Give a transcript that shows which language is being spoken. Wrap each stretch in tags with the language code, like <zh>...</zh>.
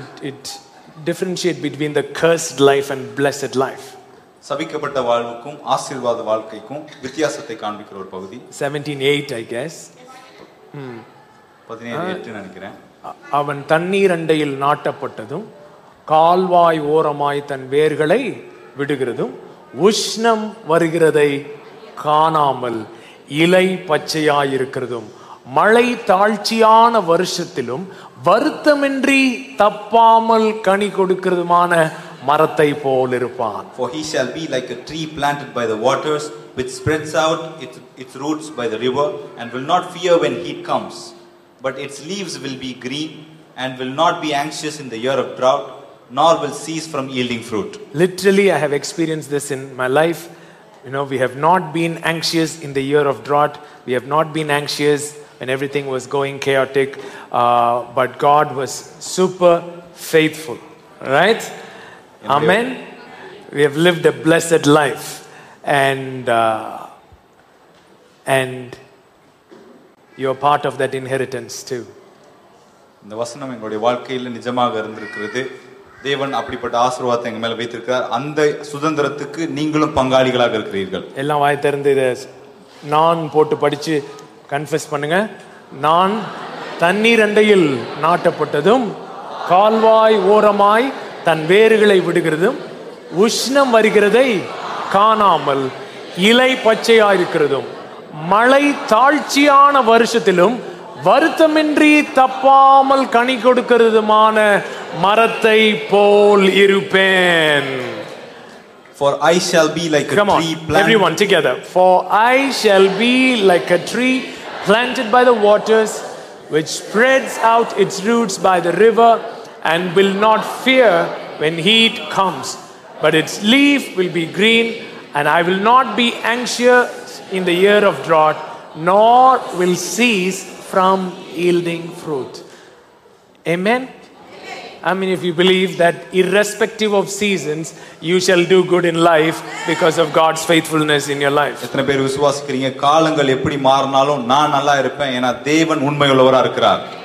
<en>It differentiates between the cursed life and blessed life.</en> <ta>சபிக்கப்பட்ட வாழ்வுக்கும் ஆசீர்வாத வாழ்க்கைக்கும் வித்தியாசத்தை காண்பிக்கிற ஒரு பகுதி.</ta> <en>17:8 I guess.</en> <ta>17:8 நினைக்கிறேன். அவன் தண்ணீர் அண்டையில் நாட்டப்பட்டதும் கால்வாய் ஓரமாய் தன் வேர்களை விடுகிறதும் உஷ்ணம் வருகிறதை காணாமல் இலை பச்சையாயிருக்கிறதும் மழை தாழ்ச்சியான வருஷத்திலும் வருத்தமின்றி தப்பாமல் கனி கொடுக்கிறதுமான மரத்தை போல் இருப்பான்.</ta> <en>For he shall be like a tree planted by the waters which spreads out its roots by the river and will not fear when heat comes. But its leaves will be green and will not be anxious in the year of drought nor will cease from yielding fruit. Literally I have experienced this in my life. You know, we have not been anxious in the year of drought, we have not been anxious when everything was going chaotic, but God was super faithful, right? Amen. We have lived a blessed life and you are part of that inheritance too.</en> <ta>இந்த வசனம் எங்களுடைய வாழ்க்கையில நிஜமாக இருந்திருக்கிறது. தேவன் அப்படிப்பட்ட ஆசீர்வாதத்தை எங்க மேல வைத்திருக்கிறார். அந்த சுதந்திரத்துக்கு நீங்களும் பங்காளிகளாக இருக்கிறீர்கள். எல்லாம் வாய் திறந்து நான் போட்டு படிச்சு கன்ஃபெஸ் பண்ணுங்க. நான் தண்ணீர் அண்டையில் நாட்டப்பட்டதும் கால்வாய் ஓரமாய் தன் வேர்களை விடுகிறதும் உஷ்ணம் வருகிறதை காணாமல் இலை பச்சையாயிருக்கிறதும் மழை தாழ்ச்சியான வருஷத்திலும் வருத்தமின்றி தப்பாமல் கனி கொடுக்கிறதுமான மரத்தை போல் இருப்பேன்.</ta> <en>For I shall be like Come a on, tree planted. Everyone together. For I shall be like a tree planted by the waters which spreads out its roots by the river and will not fear when heat comes, but its leaf will be green, and I will not be anxious in the year of drought, nor will cease from yielding fruit. Amen. I mean, if you believe that irrespective of seasons, you shall do good in life because of God's faithfulness in your life.</en> <ta>எத்தனை பேர் விசுவாசிக்கிறீங்க, காலங்கள் எப்படி மாறினாலும் நான் நல்லா இருப்பேன், ஏனா தேவன் உண்மையுள்ளவரா இருக்கிறார்.</ta>